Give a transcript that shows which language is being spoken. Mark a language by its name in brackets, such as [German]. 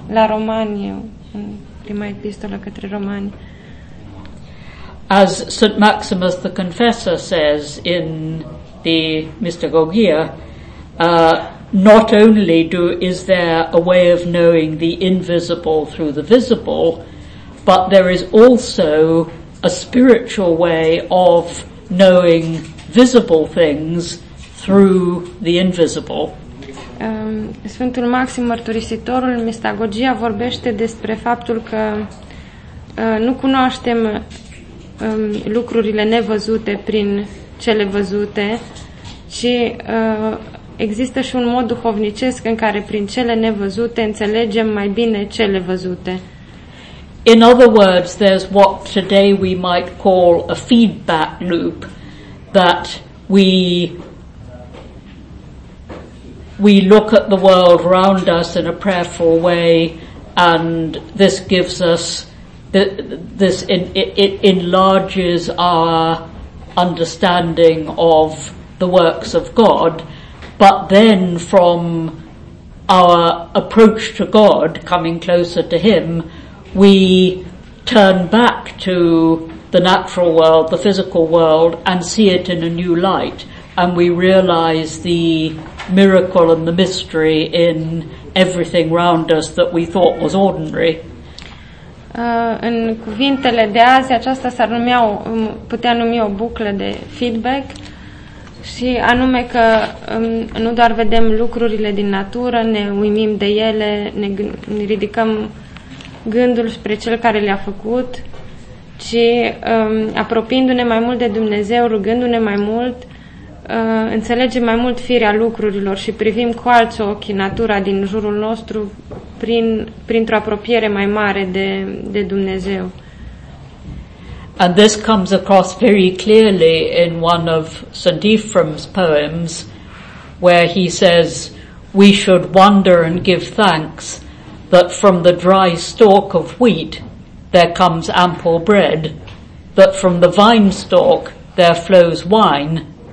[Romanian] La Romani, în prima epistolă către Romani. [English] As St. Maximus the Confessor says in the Mystagogia, not only is there a way of knowing the invisible through the visible, but there is also a spiritual way of knowing visible things through the invisible. [Romanian] Sfântul Maxim Mărturisitorul, Mistagogia, vorbește despre faptul că nu cunoaștem lucrurile nevăzute prin cele văzute, ci există și un mod duhovnicesc în care prin cele nevăzute înțelegem mai bine cele văzute. [English] In other words, there's what today we might call a feedback loop, that we look at the world around us in a prayerful way, and this gives us this enlarges our understanding of the works of God, but then from our approach to God, coming closer to Him, we turn back to the natural world, the physical world, and see it in a new light, and we realize the miracle and the mystery in everything round us that we thought was ordinary. [Romanian] În cuvintele de azi, aceasta s-ar numea, putea numi o buclă de feedback, și anume că nu doar vedem lucrurile din natură, ne uimim de ele, ne ridicăm gândul spre Cel care le-a făcut, ci apropiindu-ne mai mult de Dumnezeu, rugându-ne mai mult, înțelegem mai mult firea lucrurilor și privim cu alți ochi natura din jurul nostru printr-o apropiere mai mare de Dumnezeu. [English] And this comes across very clearly in one of St. Ephrem's poems, where he says, "We should wonder and give thanks that from the dry stalk of wheat there comes ample bread, that from the vine stalk there flows wine.